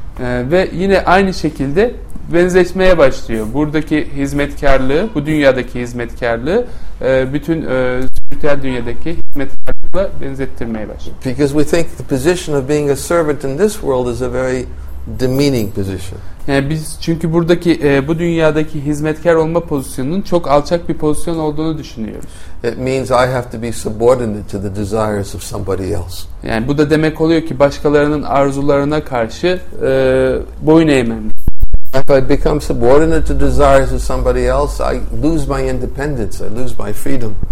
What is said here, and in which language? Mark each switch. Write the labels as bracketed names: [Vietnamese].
[Turkish] Ve yine aynı şekilde benzetmeye başlıyor. Buradaki hizmetkarlığı, bu dünyadaki hizmetkarlığı bütün spiritüel dünyadaki hizmetkarlıkla benzettirmeye başlıyor. [English] Because we think the position of being a servant in this world is a very demeaning position. [Turkish] Yani biz çünkü buradaki bu dünyadaki hizmetkar olma pozisyonunun çok alçak bir pozisyon olduğunu düşünüyoruz. [English] It means I have to be subordinate to the desires of somebody else. [Turkish] Yani bu da demek oluyor ki başkalarının arzularına karşı boyun eğmem. [English] If I become subordinate to desires of somebody else, I lose my independence, I lose my freedom.